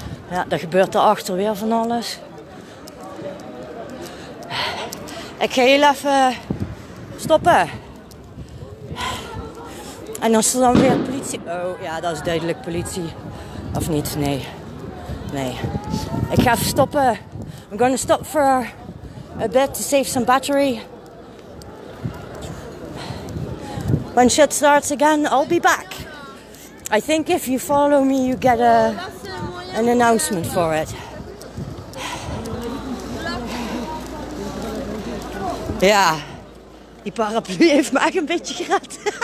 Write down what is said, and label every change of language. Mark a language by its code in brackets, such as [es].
[nl] Ja, er gebeurt erachter weer van alles. Ik ga heel even stoppen. En als er dan weer politie... Oh, ja, dat is duidelijk politie. Of niet? Nee. Nee. Ik ga even stoppen. [en] I'm gonna stop for a bit to save some battery. When shit starts again, I'll be back. I think if you follow me, you get an announcement for it. [nl] Ja, die paraplu heeft me echt een beetje gered.